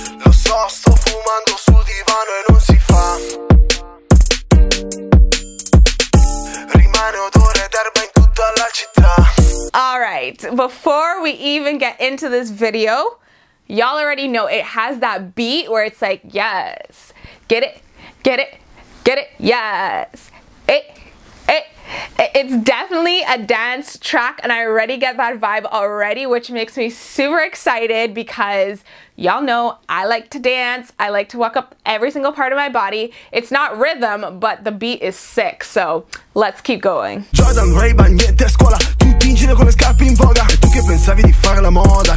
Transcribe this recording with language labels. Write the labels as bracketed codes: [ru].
[it] Sto fumando sul divano e non si fa. Rimane odore d'erba in tutta la città. [en] All right, before we even get into this video, y'all already know it has that beat where it's like, yes, get it, get it, get it, yes, it's definitely a dance track, and I already get that vibe already, which makes me super excited because y'all know I like to dance. I like to walk up every single part of my body. It's not rhythm, but the beat is sick, so let's keep going. [it] Jordan, Ray-Ban, niente a scuola. Tutti in giro con le scarpe in voga. E tu che pensavi di fare la moda?